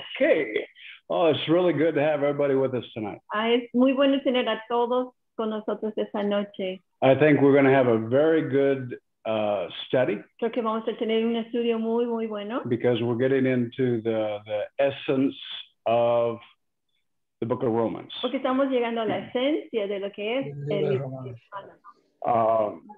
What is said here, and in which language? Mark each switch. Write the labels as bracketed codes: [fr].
[en] Hey, oh, it's really good to have everybody with us tonight. [es] Ah, es muy bueno tener a todos con nosotros esta noche. [en] I think we're going to have a very good study. [es] Creo que vamos a tener un estudio muy, muy bueno. [en] Because we're getting into the essence of the Book of Romans. [es] Porque estamos llegando a la esencia de lo que es el libro de Romanos.